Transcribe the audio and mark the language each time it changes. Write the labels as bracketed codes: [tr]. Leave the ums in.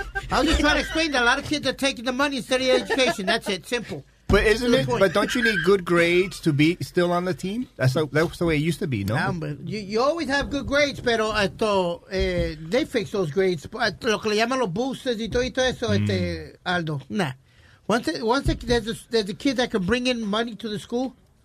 [en] I'm was just trying to explain that a lot of kids are taking the money instead of education. That's it. Simple. But isn't that's it? But don't you need good grades to be still on the team? That's, like, that's the way it used to be. No, no but you, you, always have good grades. [es] Pero esto, [en] uh, they fix those grades. [es] Lo que le llaman los boosters y todo eso, este Aldo, nah. [en] Once it, once there's a, there's a, kid that can bring in money to the school.